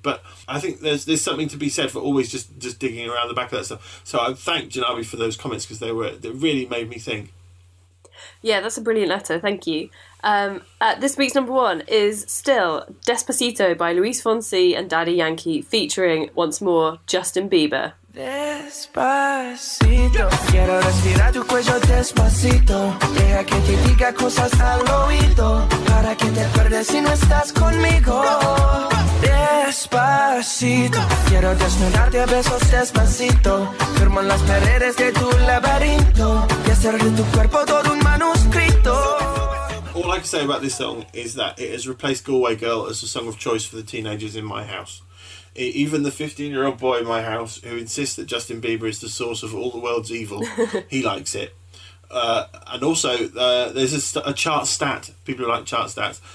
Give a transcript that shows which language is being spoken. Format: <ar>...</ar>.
<en>But I think there's something to be said for always just digging around the back of that stuff. So I thank Janabi for those comments, because they really made me think. Yeah, that's a brilliant letter. Thank you. This week's number one is still Despacito by Luis Fonsi and Daddy Yankee, featuring once more Justin Bieber.</en> <es>Despacito, quiero respirar tu cuello despacito. Deja que te diga cosas al oído para que te acuerdes si no estás conmigo. Despacito, quiero desnudarte a besos despacito. Firmo las paredes de tu laberinto y hacer de tu cuerpo todo un manuscrito.</es> <en>All I can say about this song is that it has replaced Galway Girl as the song of choice for the teenagers in my house. Even the 15-year-old boy in my house, who insists that Justin Bieber is the source of all the world's evil, he likes it. And also, there's a chart stat. People like chart stats.</en>